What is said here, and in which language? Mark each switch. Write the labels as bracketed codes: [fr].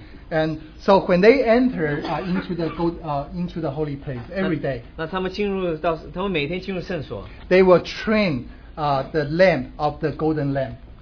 [en] And so when they enter into the holy place every day, [zh] 那他们进入到他们每天进入圣所, [en] they will trim the lamp of the golden lamp.